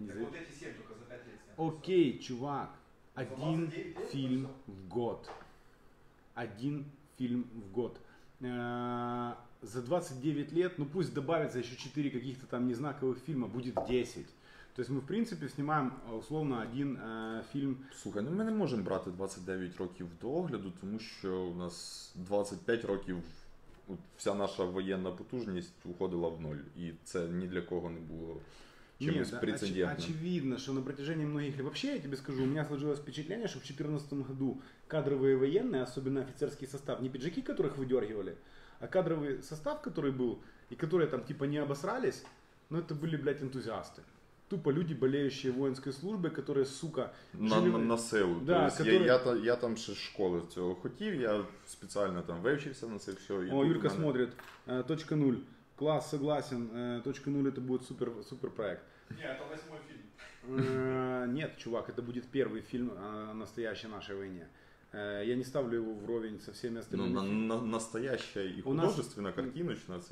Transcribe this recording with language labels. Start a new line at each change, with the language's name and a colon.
Russian: Не так вот эти 7 только за 5 лет снялись. Окей, чувак. Один фильм в год. Один фильм в год. За 29 лет, ну пусть добавится еще 4 каких-то там незнаковых фильма, будет 10. То есть мы,
Ukrainian: в принципі, знімаємо условно один фільм. Слухай, ну ми не можемо брати 29 років догляду, тому що у нас 25 років вся наша воєнна потужність
Russian: уходила в ноль.
Ukrainian: І це ні для кого не було чимось прецедентним.
Russian: Очевидно, що на протяжении многих... Вообще, я тебе скажу, у мене сложилось впечатление, що в 2014 году кадровые военные, особенно офицерский состав, не пиджаки, которых выдергивали, а кадровый состав, который был, и которые там типа не обосрались, ну это были, блядь, энтузиасты. Тупо люди, болеющие воинской службой, которые, сука, на силу. Да, то есть которые...
Ukrainian: я там ще школи цього хотів, я спеціально там вивчився на це все. О, Юрка мене... смотрит.
Russian: Точка нуль. Клас, согласен. Точка нуль, это будет супер проект. Не, это восьмой фильм. Нет, чувак, это будет первый фильм о настоящей нашей войне. Я не ставлю его вровень со всеми остальными. Ну, настоящая и художественная картиночная.